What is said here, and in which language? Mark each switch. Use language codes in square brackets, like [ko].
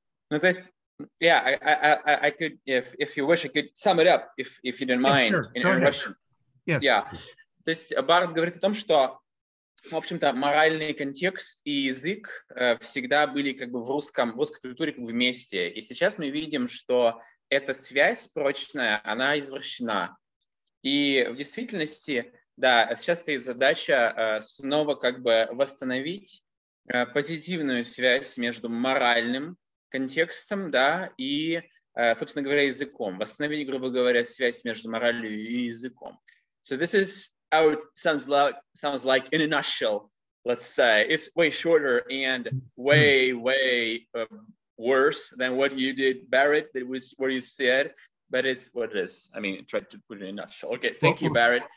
[ru] Ну, то есть, [en] yeah, I could, if you wish, I could sum it up, if you didn't mind, yeah, sure. In Russian. Yes. Yeah. [ru] То есть Барретт говорит о том, что, в общем-то, моральный контекст и язык всегда были как бы в русской культуре как бы вместе. И сейчас мы видим, что эта связь прочная, она извращена. И в действительности, да, сейчас стоит задача снова как бы восстановить позитивную связь между моральным контекстом, да, и, собственно говоря, языком. Восстановить, грубо говоря, связь между моралью и языком. [en] So this is how it sounds like in a nutshell, let's say. It's way shorter and way, way worse than what you did, Barrett. That was what you said, but it's what it is. I mean, try to put it in a nutshell. Okay, thank you, Barrett.